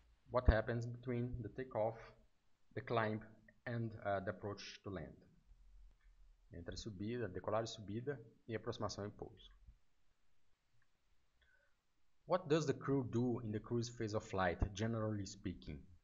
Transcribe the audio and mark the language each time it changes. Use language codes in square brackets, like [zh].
[en] What happens between the take off, the climb and the approach to land? [pt] Entre a subida, decolagem e subida e aproximação e pouso. [en] What does the crew do in the cruise phase of flight, generally speaking?